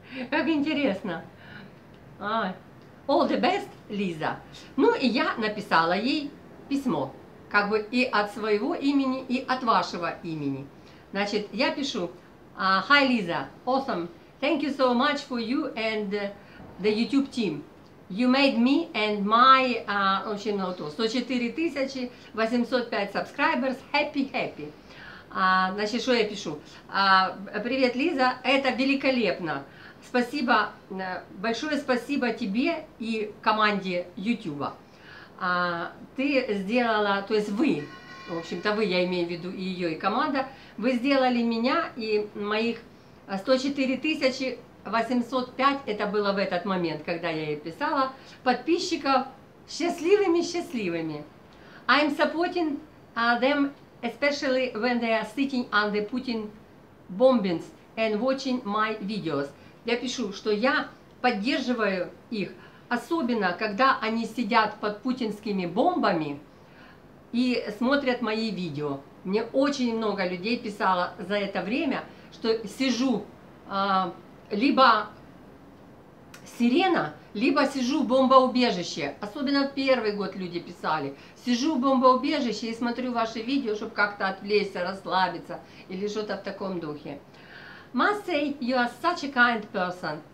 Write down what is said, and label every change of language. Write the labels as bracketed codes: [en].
[ru] Как интересно. [en] All the best, Лиза. [ru] Ну и я написала ей письмо. Как бы и от своего имени, и от вашего имени. Значит, я пишу, [en] Hi, Lisa, awesome. Thank you so much for you and the YouTube team. You made me and my, 104 805 subscribers happy. [ru] Значит, что я пишу? Привет, Лиза, это великолепно. Спасибо, большое спасибо тебе и команде YouTube. Ты сделала, то есть вы, в общем-то вы, я имею в виду и ее, и команда, вы сделали меня и моих 104 тысячи 805, это было в этот момент, когда я ей писала, подписчиков счастливыми. [en] I'm supporting them, especially when they are sitting under Putin bombings and watching my videos. [ru] Я пишу, что я поддерживаю их, особенно когда они сидят под путинскими бомбами и смотрят мои видео. Мне очень много людей писало за это время, что сижу либо сирена, либо сижу в бомбоубежище. Особенно в первый год люди писали. Сижу в бомбоубежище и смотрю ваши видео, чтобы как-то отвлечься, расслабиться или что-то в таком духе. [en] Must say, you are such a kind person.